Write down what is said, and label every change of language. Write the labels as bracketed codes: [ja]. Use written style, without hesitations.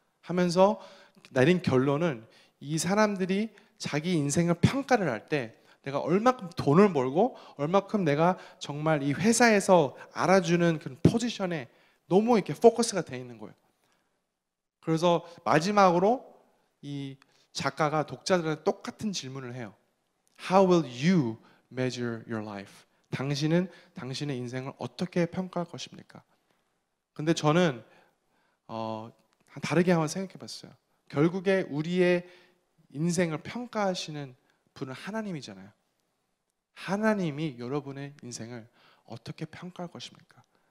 [ko] 하면서 내린 결론은 이 사람들이 자기 인생을 평가를 할 때 내가 얼마큼 돈을 벌고 얼마큼 내가 정말 이 회사에서 알아주는 그런 포지션에 너무 이렇게 포커스가 돼 있는 거예요. 그래서 마지막으로 이 작가가 독자들한테 똑같은 질문을 해요. [en] How will you measure your life? [ko] 당신은 당신의 인생을 어떻게 평가할 것입니까? 근데 저는 다르게 한번 생각해 봤어요. 결국에 우리의 인생을 평가하시는 분은 하나님이잖아요. 하나님이 여러분의 인생을 어떻게 평가할 것입니까?